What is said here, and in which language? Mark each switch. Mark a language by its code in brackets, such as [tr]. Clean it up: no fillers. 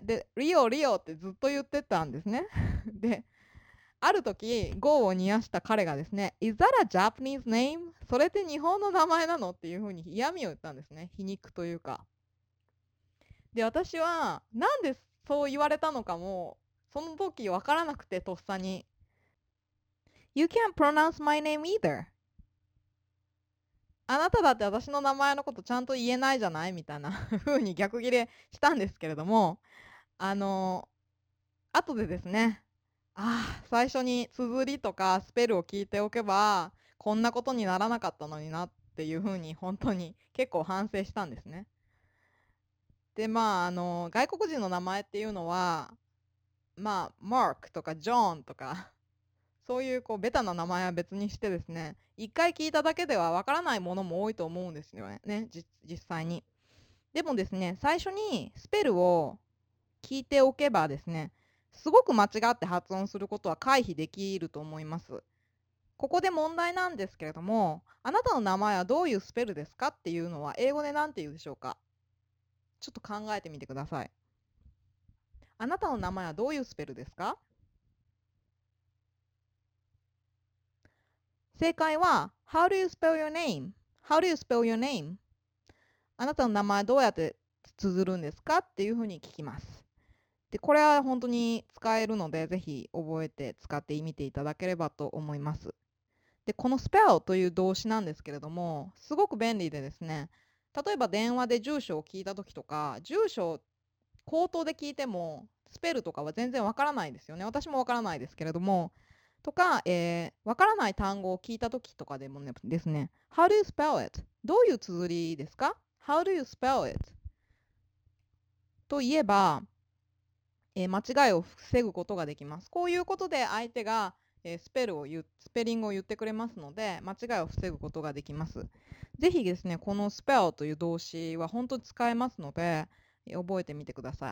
[ja] で、リオ、リオってずっと言ってたんですね。で、ある時、業を煮やした彼がですね、 [en] Is that a Japanese name? [ja] それって日本の名前なの?っていうふうに嫌味を言ったんですね。皮肉というか。で、私は、なんでそう言われたのかも、その時わからなくて、とっさに。 [en] You can't pronounce my name either. [ja] あなただって私の名前のことちゃんと言えないじゃないみたいな風に逆ギレしたんですけれども、後でですね、最初に綴りとかスペルを聞いておけば、こんなことにならなかったのになっていう風に本当に結構反省したんですね。で、外国人の名前っていうのは、マークとかジョーンとか、そういうこうベタな名前は別にしてですね、一回聞いただけではわからないものも多いと思うんですよね、実際に。でもですね、最初にスペルを聞いておけばですね、すごく間違って発音することは回避できると思います。ここで問題なんですけれども、あなたの名前はどういうスペルですかっていうのは英語で何て言うでしょうか。ちょっと考えてみてください。あなたの名前はどういうスペルですか? 正解は、 [en] How do you spell your name? How do you spell your name? [ja] あなたの名前どうやって綴るんですか?っていうふうに聞きます。で、これは本当に使えるので、ぜひ覚えて使ってみていただければと思います。で、この spell という動詞なんですけれども、すごく便利でですね、例えば電話で住所を聞いたときとか、住所を口頭で聞いても、スペルとかは全然わからないですよね。私もわからないですけれども。とか、わからない単語を聞いたときとかでもね、ですね。 [en] How do you spell it? [ja] どういう綴りですか [en] ?How do you spell it? [ja] と言えば、間違いを防ぐことができます。こういうことで相手が、スペリングを言ってくれますので、間違いを防ぐことができます。ぜひですね、このスペルという動詞は本当に使えますので、覚えてみてください。